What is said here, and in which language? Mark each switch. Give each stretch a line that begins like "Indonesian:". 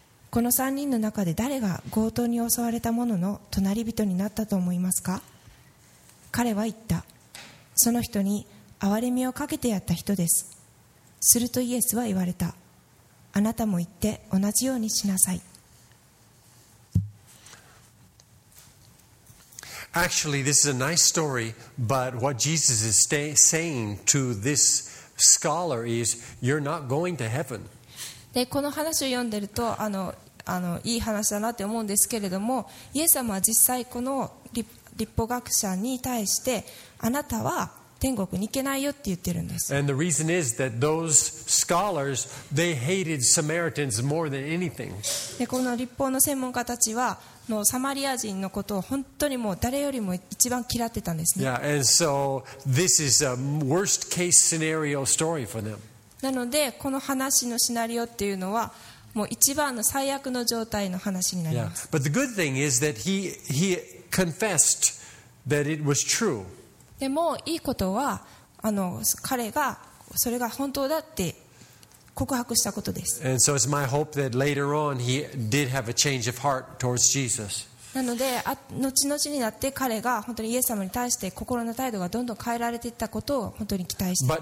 Japanese: この三人の中で誰が強盗に襲われた者の隣人になったと思いますか。彼は言った。その人に憐れみをかけてやった人です。するとイエスは言われた。あなたも言って同じようにしなさい。
English: Actually, this is a nice story, but what Jesus is saying to this scholar is, you're not going to heaven.
Japanese: で、この話を読んでると、あの、いい話だなって思うんですけれども、イエス様は実際この律法学者に対して、あなたは天国に行けないよって言ってるんです。
English: And the reason is that those scholars, they hated Samaritans more than anything.
Japanese: で、この律法の専門家たちは、のサマリア人のことを本当にもう誰よりも一番嫌ってたんですね。
English: Yeah, and so this is a worst case scenario story for them.
Japanese: なのでこの話のシナリオっていうのはもう一番の最悪の状態の話になります。
English: Yeah, but the good thing is that he confessed that it was true.
Japanese: でもいいことは彼がそれが本当だって告白したことです。
English: And so it's my hope that later on he did have a change of heart towards Jesus.
Japanese: なので、後々になって彼が本当にイエス様に対して心の態度がどんどん変えられていったことを本当に期待しています。